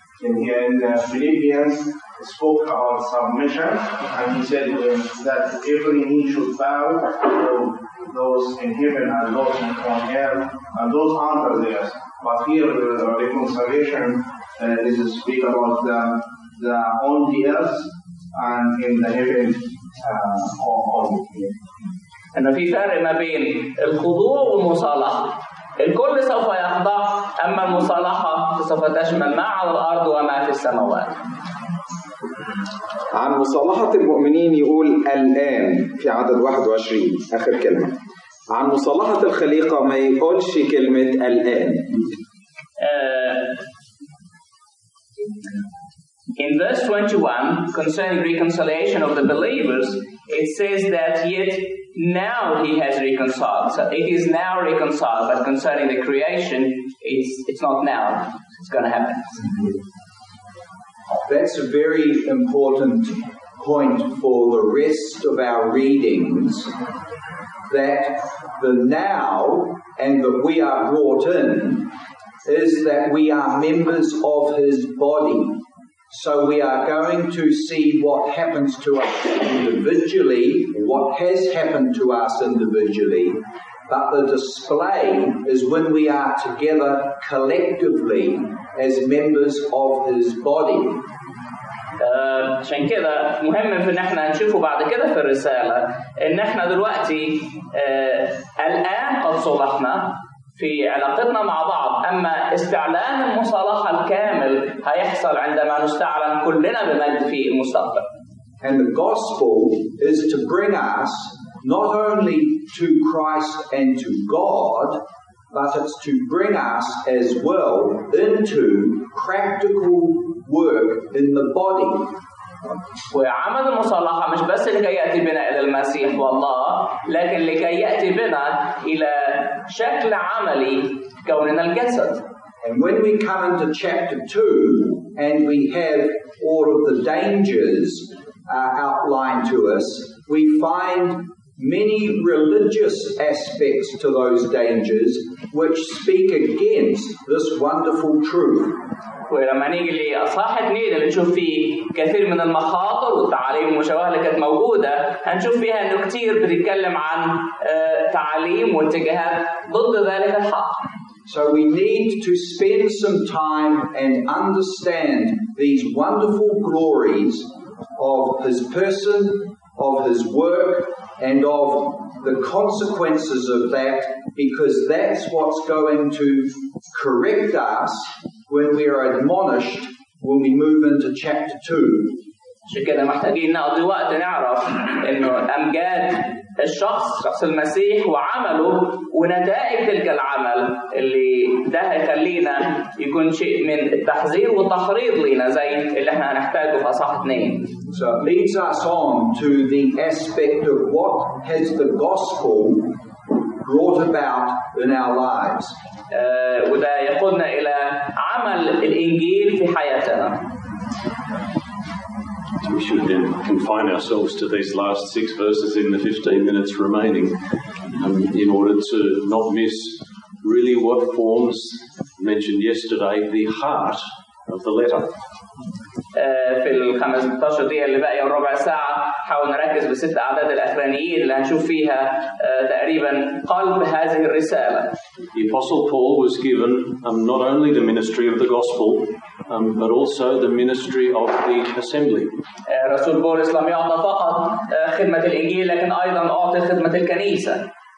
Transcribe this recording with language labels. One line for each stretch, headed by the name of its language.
English: And here in the Philippians spoke about submission, and he said that every knee should bow, so those in heaven and those on earth, and those under the earth. But here the reconciliation is speak about the on the earth and in the heaven all the earth.
Arabic: أن في فرق ما بين الخضوع والمصالحة. الكل سوف يخضع أما المصالحة سوف تشمل ما على الأرض وما في السماوات. عن مصالحة المؤمنين يقول الآن في عدد 21 آخر كلمة. عن مصالحة الخليقة ما يقولش كلمة الآن.
English: In verse 21, concerning reconciliation of the believers, it says that yet now he has reconciled. So it is now reconciled, but concerning the creation, it's not now. It's going to happen. That's a very important point for the rest of our readings, that the now and that we are brought in is that we are members of his body. So we are going to see what happens to us individually, what has happened to us individually, but the display is when we are together collectively as members of his body.
Arabic: عشان كده مهم ان احنا نشوفه بعد كده في الرسالة ان احنا دلوقتي الآن قد صلحنا في علاقتنا مع بعض، أما استعلان المصالحة الكامل هيحصل عندما نستعلم كلنا بمجد في المستقبل.
English: And the gospel is to bring us not only to Christ and to God, but it's to bring us as well into practical work in the body.
Arabic: وعمل المصالحة مش بس لكي يأتي بنا إلى المسيح والله لكن لكي يأتي بنا إلى شكل عملي كوننا الجسد.
English: And when we come into chapter 2 and we have all of the dangers outlined to us, we find many religious aspects to those dangers which speak against this wonderful truth.
Arabic: ولما نيجي لأصحاح 2 اللي نشوف فيه كثير من المخاطر والتعاليم المشوهة اللي كانت موجودة هنشوف فيها إنه كثير بيتكلم عن تعاليم واتجاهات ضد ذلك الحق.
English: So we need to spend some time and understand these wonderful glories of his person, of his work, and of the consequences of that, because that's what's going to correct us when we are admonished when we move into chapter 2.
Arabic: شكرا محتاجين نقضي وقت نعرف انه امجاد الشخص شخص المسيح وعمله ونتائج تلك العمل اللي ده هيخلينا يكون شيء من التحذير والتحريض لينا زي اللي احنا هنحتاجه في اصحاح 2.
English: So it leads us on to the aspect of what has the gospel brought about in our lives.
Arabic: وده يقودنا الى عمل عمل الإنجيل في حياتنا.
English: We should then confine ourselves to these last six verses in the 15 minutes remaining in order to not miss really what forms mentioned yesterday the heart of the letter.
Arabic: في ال 15 دقيقة اللي باقية وربع ساعة حاول نركز بست أعداد الأخرانيين اللي هنشوف فيها تقريبا قلب هذه الرسالة.
English: The Apostle Paul was given not only the ministry of the gospel but also the ministry of the assembly.
Arabic: رسول بولس لم يعطى فقط خدمة الإنجيل لكن أيضا أعطي خدمة الكنيسة.